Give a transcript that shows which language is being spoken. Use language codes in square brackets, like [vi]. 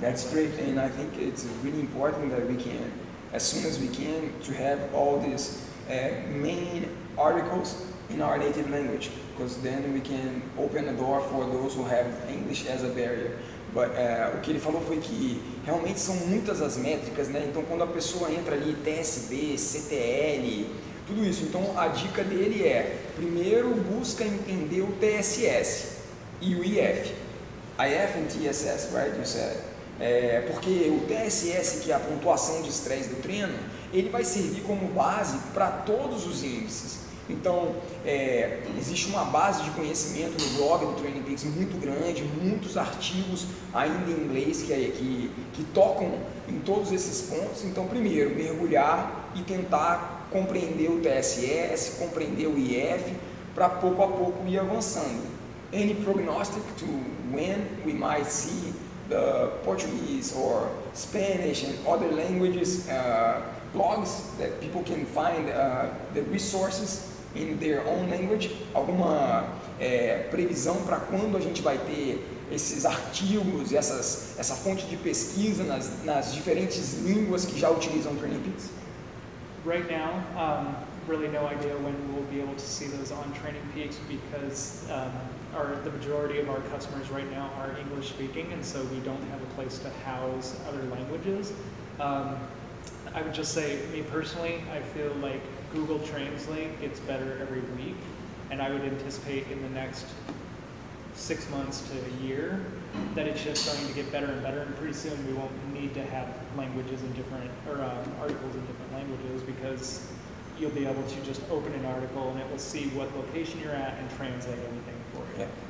[en] That's great, and I think it's really important that we can, as soon as we can, to have all these main articles in our native language, because then we can open the door for those who have English as a barrier. [pt] But, o que ele falou foi que realmente são muitas as métricas, né? Então quando a pessoa entra ali, TSB, CTL, tudo isso. Então a dica dele é, primeiro busca entender o TSS e o IF. [en] IF and TSS, right? You said. [pt] Porque o TSS, que é a pontuação de estresse do treino, ele vai servir como base para todos os índices. Então, existe uma base de conhecimento no blog do TrainingPeaks muito grande, muitos artigos ainda em inglês que tocam em todos esses pontos. Então, primeiro, mergulhar e tentar compreender o TSS, compreender o IF, para pouco a pouco ir avançando. [en] Any prognostic to when we might see the Portuguese or Spanish and other languages blogs that people can find the resources in their own language? [pt] Alguma previsão para quando a gente vai ter esses artigos, essa fonte de pesquisa nas diferentes línguas que já utilizam TrainingPeaks? [en] Right now, really no idea when we'll be able to see those on TrainingPeaks, because the majority of our customers right now are English speaking, and so we don't have a place to house other languages. I would just say, me personally, I feel like Google Translate gets better every week, and I would anticipate in the next 6 months to a year that it's just starting to get better and better, and pretty soon we won't need to have languages in different, or articles in different languages, because you'll be able to just open an article and it will see what location you're at and translate everything for you.